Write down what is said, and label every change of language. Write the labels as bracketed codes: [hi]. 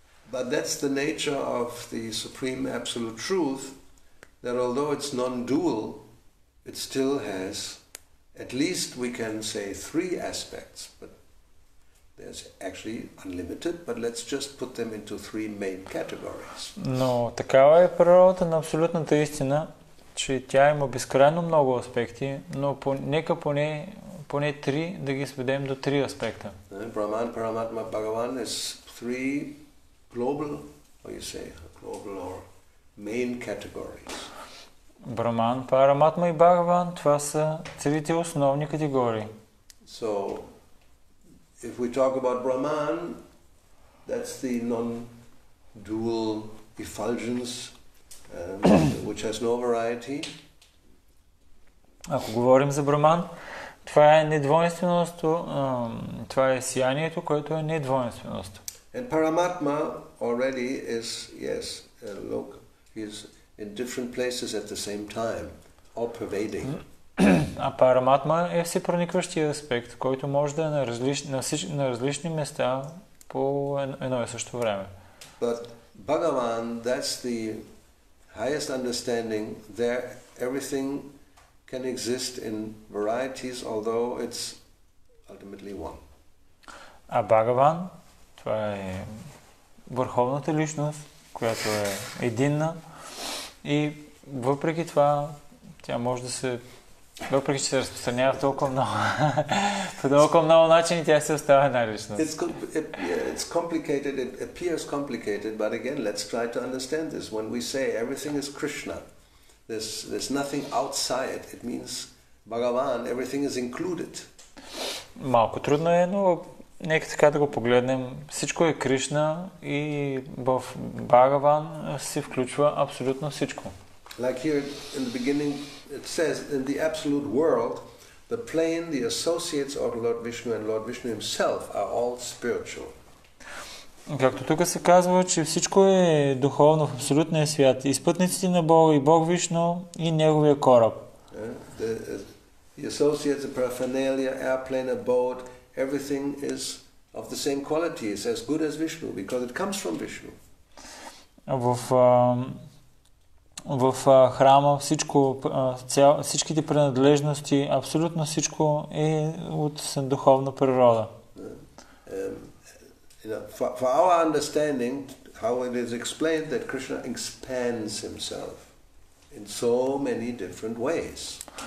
[en] But that's the nature of the supreme absolute truth, that although it's non-dual, it still has, at least we can say, three aspects, but there's actually unlimited, but let's just put them into three main categories. [bg] Но такава е природата на абсолютната истина, че тя има безкрайно много аспекти, но по, нека поне, поне три да ги сведем до три аспекта. [en] Brahman, Paramatma, Bhagavan is three global, or you say, global or main categories. [bg] Brahman, Paramatma и Bhagavan, това са трите основни категории. [en] So, if we talk about Brahman, that's the non-dual effulgence, which has no variety. [bg] Ако говорим за Браман, това е недвойственост, това е сиянието, което е недвойственост. [en] And Paramatma already is, yes, look, he's in different places at the same time, all pervading. [bg] А Параматма е всепроникващият аспект, който може да е на различни, на всич, на различни места по едно и също време. [en] But Bhagavan, that's the highest understanding. There, everything can exist in varieties, although it's ultimately one. [bg] А Бхагаван, това е върховната личност, която е единна, и въпреки това тя може да се, въпреки че се разпространява толкова много, по толкова много начини, тя се остава една личност. [en] It's complicated, it appears complicated, but again, let's try to understand this. When we say everything is Krishna, There's nothing outside. It means Bhagavan, everything is included. [bg] Малко трудно е, но нека така да го погледнем. Всичко е Кришна и в Бхагаван се включва абсолютно всичко. [en] Like here in the beginning it says in the absolute world, the plane, the associates of Lord Vishnu and Lord Vishnu himself are all spiritual. [bg] Както тук се казва, че всичко е духовно в абсолютния свят. И спътниците на Бога, и Бог Вишно, и Неговия кораб. [en] The associates, the paraphernalia, airplane, a boat, everything is of the same quality. It's as good as Vishnu, because it comes from Vishnu. [bg] В храма всичко, всичките принадлежности, абсолютно всичко е от духовна природа. [en] For our understanding, how it is explained that Krishna expands himself in so many different ways.